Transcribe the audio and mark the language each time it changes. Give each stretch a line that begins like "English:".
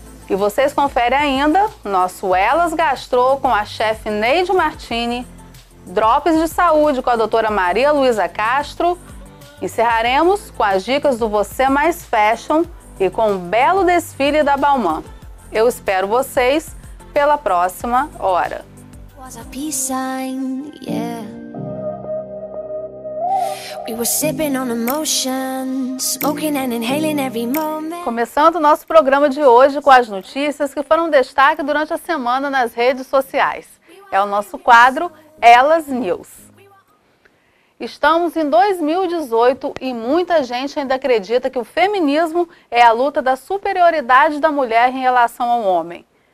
Portuguese: E vocês conferem ainda nosso Elas Gastrou com a chefe Neide Martini, Drops de Saúde com a doutora Maria Luísa Castro. Encerraremos com as dicas do Você Mais Fashion e com um belo desfile da Balmain. Eu espero vocês pela próxima hora.
English: Was a peace sign, yeah. We were sipping on emotions, smoking and inhaling every moment.
Portuguese: Começando o nosso programa de hoje com as notícias que foram destaque durante a semana nas redes sociais. É o nosso quadro Elas News. Estamos em 2018 e muita gente ainda acredita que o feminismo é a luta da superioridade da mulher em relação ao homem.